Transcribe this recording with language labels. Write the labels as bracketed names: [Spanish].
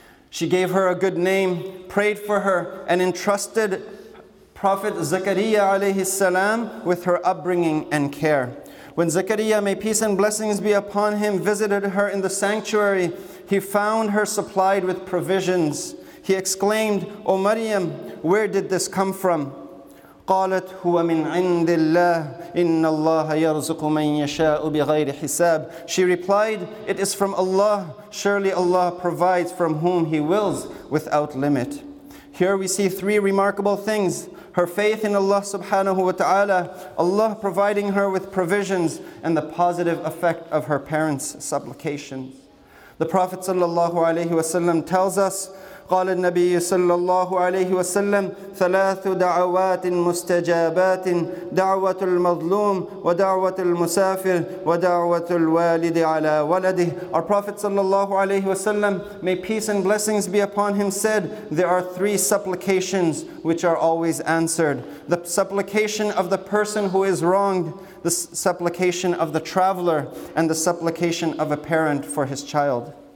[English] She gave her a good name, prayed for her, and entrusted Prophet Zakarya alayhi salam with her upbringing and care. When Zakarya, may peace and blessings be upon him, visited her in the sanctuary, he found her supplied with provisions. He exclaimed, O Maryam, where did this come from? [Arabic] قالت هو من عند الله إن الله يرزق من يشاء بغير حساب. [English] She replied, It is from Allah. Surely Allah provides from whom He wills without limit. Here we see three remarkable things. Her faith in Allah subhanahu wa ta'ala, Allah providing her with provisions, and the positive effect of her parents' supplications. The Prophet sallallahu alayhi wa sallam tells us, [Arabic] قال النبي صلى الله عليه وسلم ثلاث دعوات مستجابات دعوة المظلوم ودعوة المسافر ودعوة الوالد على ولده. [English] Our Prophet صلى الله عليه وسلم, may peace and blessings be upon him, said, there are three supplications which are always answered. The supplication of the person who is wronged, the supplication of the traveler, and the supplication of a parent for his child.